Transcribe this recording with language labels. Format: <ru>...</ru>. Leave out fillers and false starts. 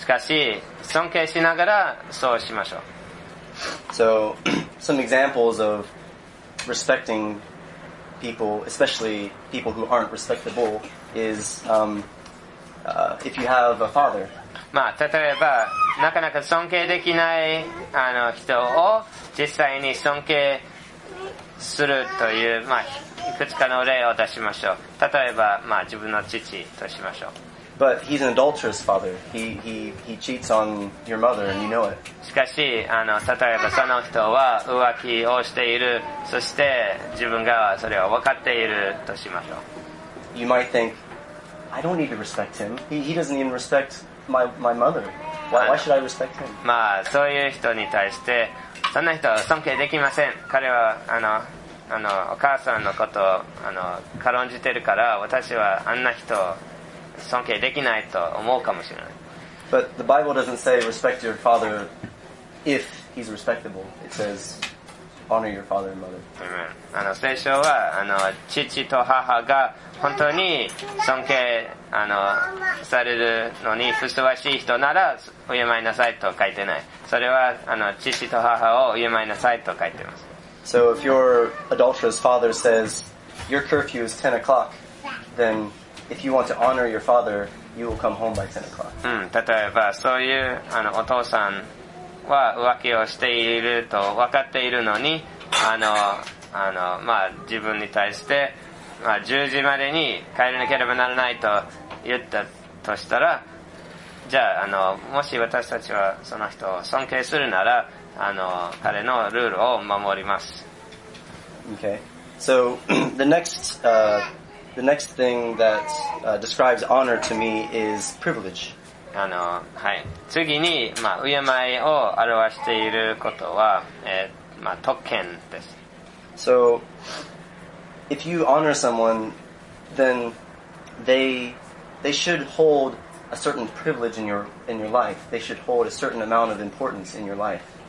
<ja>しかし、尊敬しながらそうしましょう。</ja> <en>So, some examples of respecting people, especially people who aren't respectable,is if you have a father.</en> <ja>まあ、例えば、なかなか尊敬できない人を実際に尊敬するという、まあ、いくつかの例を出しましょう。例えば、まあ、自分の父としましょう。</ja> <en>But he's an adulterous father. He cheats on your mother and you know it.</en> <ja>しかし、例えばその人は浮気をしている、そして自分がそれを分かっているとしましょう。</ja> <en>You might think, I don't need to respect him. He doesn't even respect my mother. Why should I respect him?</en> <ja>まあ、そういう人に対して、そんな人は尊敬できません。彼はお母さんのことを軽んじてるから、私はあんな人を尊敬できないと思うかもしれない。</ja> <en>But the Bible doesn't say respect your father if he's respectable. It says honor your father and mother. Amen.</en> <ja>聖書は父と母が本当に尊敬されるのにふさわしい人なら敬いなさいと書いてない。それは父と母を敬いなさいと書いてます。</ja> <en>So if your adulterous father says your curfew is 10 o'clock, then if you want to honor your father, you will come home by 10 o'clock.</en> <ja>例えばそういうお父さんは浮気をしていると分かっているのにまあ、自分に対して、まあ、10時までに帰らなければならないと言ったとしたら、じゃあもし私たちはその人を尊敬するなら彼のルールを守ります。</ja> <en>Okay. So the next thing that describes honor to me is privilege.</en> <ja>はい。次に、まあ、敬いを表していることは、まあ、特権です。</ja> <en>So, if you honor someone, then they should hold a certain privilege in your life. They should hold a certain amount of importance in your life.</en>